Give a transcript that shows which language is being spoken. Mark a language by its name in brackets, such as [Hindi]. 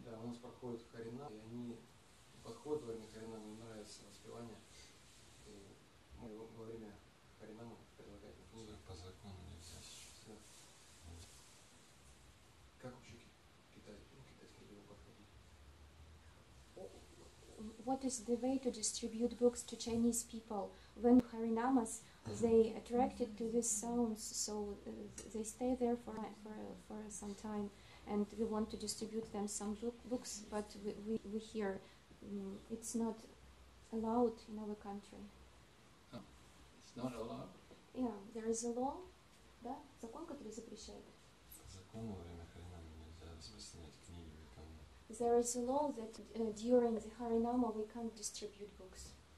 [Russian] Да, у нас проходит харинам, и они подходят во время харинама, им нравится воспевание. И мы его во время харинама предлагаем. По закону нельзя сейчас. Да. Как вообще китайские люди подходят? [English] What is the way to distribute books to Chinese people? When харинамас, they attracted to these sounds, so they stay there for some time. And we want to distribute them some books, but we hear it's not allowed in our country. Oh, it's not allowed? Yeah, there is a law, да? [Russian] Закон, который запрещает. Закон во время харинама нельзя распространять книги или камни. [English] There is a law that during the харинама we can't distribute books.